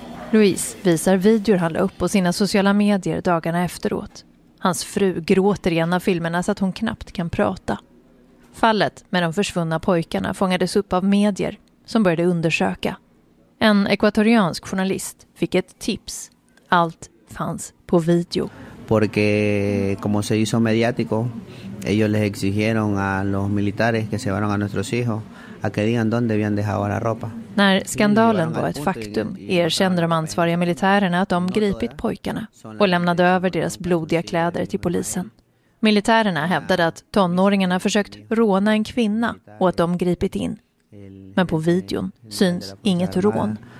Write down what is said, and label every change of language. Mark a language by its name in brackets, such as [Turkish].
[Swedish] Louise visar videor han la upp på sina sociala medier dagarna efteråt. Hans fru gråter i en av filmerna så att hon knappt kan prata. Fallet med de försvunna pojkarna fångades upp av medier som började undersöka. En ekvatoriansk journalist fick ett tips. Allt fanns på video. [Spanish] Porque como se hizo mediático, ellos les exigieron a los militares que llevaron a nuestros hijos. [Swedish] När skandalen var ett faktum erkände de ansvariga militärerna att de gripit pojkarna och lämnade över deras blodiga kläder till polisen. Militärerna hävdade att tonåringarna försökt råna en kvinna och att de gripit in. Men på videon syns inget rån.